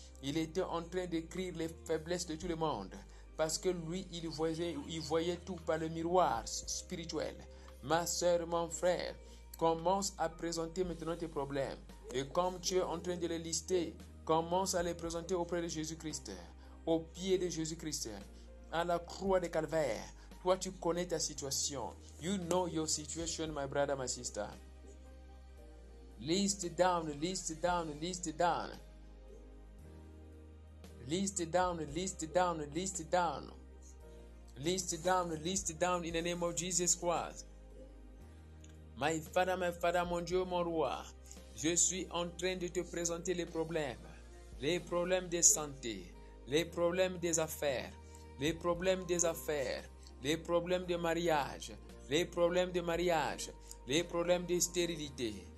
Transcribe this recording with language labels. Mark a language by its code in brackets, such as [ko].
[fr] Il était en train d'écrire les faiblesses de tout le monde. Parce que lui, il voyait tout par le miroir spirituel. Ma sœur, mon frère, commence à présenter maintenant tes problèmes. Et comme tu es en train de les lister, commence à les présenter auprès de Jésus-Christ, au pied de Jésus-Christ, à la croix de Calvaire. Toi, tu connais ta situation. [en] You know your situation, my brother, my sister. List down, list down, list down. List down, list down, list down. List down, list down in the name of Jesus Christ. My Father, [fr] mon Dieu, mon Roi, je suis en train de te présenter les problèmes de santé, les problèmes des affaires, les problèmes des affaires, les problèmes de mariage, les problèmes de mariage, les problèmes de stérilité.